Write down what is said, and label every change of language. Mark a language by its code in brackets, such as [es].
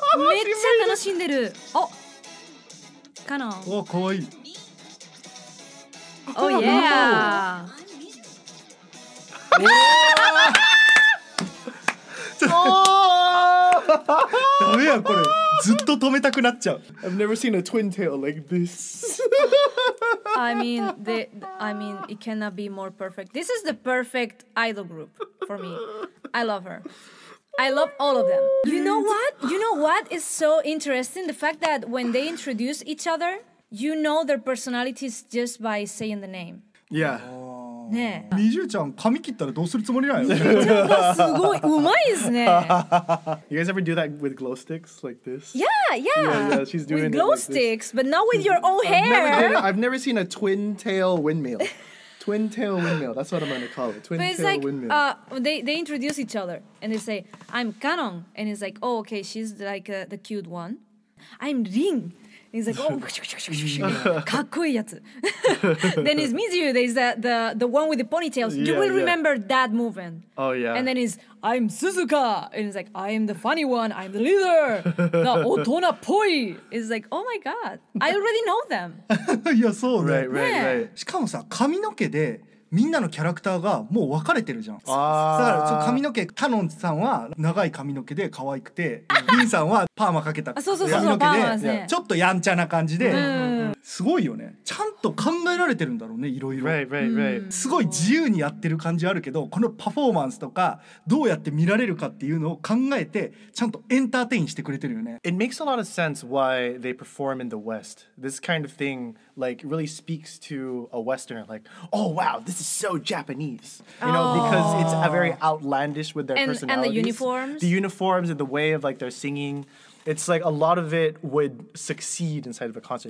[ja] めっちゃ楽しんでる。おカノン。わ、かわいい。 [en] Oh yeah! [ja] おダメやこれ。ずっと止めたくなっちゃう。 [en] I've never seen a twin tail like this. I mean, it cannot be more perfect. This is the perfect idol group for me. I love her. I love all of them. You know what? You know what is so interesting? The fact that when they introduce each other, you know their personalities just by saying the name. Yeah. [ja] ね。みじゅうちゃん髪切ったらどうするつもりなんや。みじゅうちゃんがすごい、うまいですね。 [en] You guys ever do that with glow sticks like this? Yeah, she's doing with glow sticks, but not with your own hair. I've never seen a twin tail windmill. Twin tail windmill. That's what I'm gonna call it. Twin tail windmill. They introduce each other and they say, "I'm Kanon," and it's like, "Oh, okay, she's like the cute one." I'm Rin. He's like, "Oh, [ja] かっこいいやつ." [en] Then it's Mizu. There's the one with the ponytails. Yeah, you will remember that movement. Oh yeah. And then it's I'm Suzuka, and it's like I am the funny one. I'm the leader. The [ja] otona poi. [en] It's like, oh my god, I already know them. Yeah, so right. [ja] しかもさ、髪の毛でみんなのキャラクターがもう分かれてるじゃん。あだから髪の毛、タノンさんは長い髪の毛で可愛くて、リンさんはパーマかけた髪の毛でちょっとやんちゃな感じで、すごいよね。ちゃんと考えられてるんだろうね、いろいろ。 [en] Right. [ja] すごい自由にやってる感じあるけど、このパフォーマンスとかどうやって見られるかっていうのを考えてちゃんとエンターテインしてくれてるよね。 [en] It makes a lot of sense why they perform in the West. This kind of thing like really speaks to a Westerner, like, oh wow, this is so Japanese, you know, because it's a very outlandish with their personalities. And the uniforms. The uniforms and the way of like their singing. It's like a lot of it would succeed inside of a concert.